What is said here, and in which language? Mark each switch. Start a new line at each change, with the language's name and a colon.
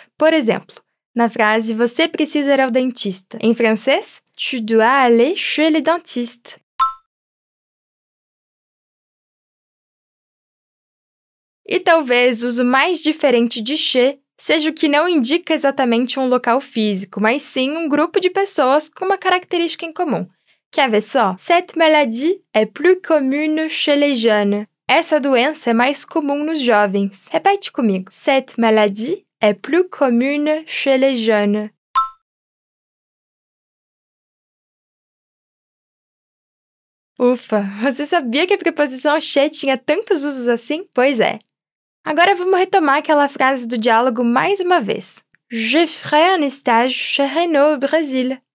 Portuguese: Por exemplo, na frase, você precisa ir ao dentista. Em francês,
French: tu dois aller chez le dentiste.
Portuguese: e talvez uso mais diferente de che seja o que não indica exatamente um local físico, mas sim um grupo de pessoas com uma característica em comum. Quer ver só?
French: Cette maladie est plus commune chez les jeunes.
Portuguese: Essa doença é mais comum nos jovens. Repete comigo.
French: Cette maladie est plus commune chez les jeunes.
Portuguese: Ufa, você sabia que a preposição chez tinha tantos usos assim? Pois é. Agora vamos retomar aquela frase do diálogo mais uma vez.
French: Je ferai un stage chez Renault au Brésil.